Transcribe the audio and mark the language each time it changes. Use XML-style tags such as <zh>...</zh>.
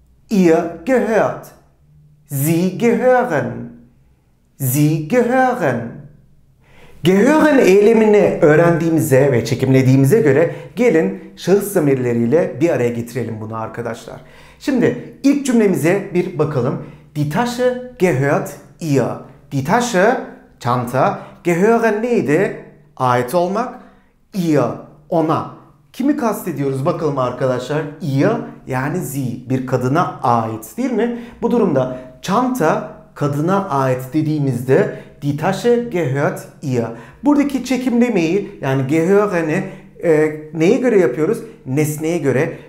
<de>Ihr gehört. Sie gehören. Sie gehören.</de> <tr>Gehören eylemini öğrendiğimize ve çekimlediğimize göre gelin şahıs zamirleriyle bir araya getirelim bunu arkadaşlar. Şimdi ilk cümlemize bir bakalım.</tr> <de>Die Tasche gehört ihr.</de> <tr>Die Tasche, çanta, gehören neydi? Ait olmak. Ihr, ona. Kimi kastediyoruz bakalım arkadaşlar? Ihr, yani sie, bir kadına ait, değil mi? Bu durumda çanta kadına ait dediğimizde</tr> <de>die Tasche gehört ihr.</de> <tr>Buradaki çekimlemeyi, yani gehören'i neye göre yapıyoruz? Nesneye göre.</tr>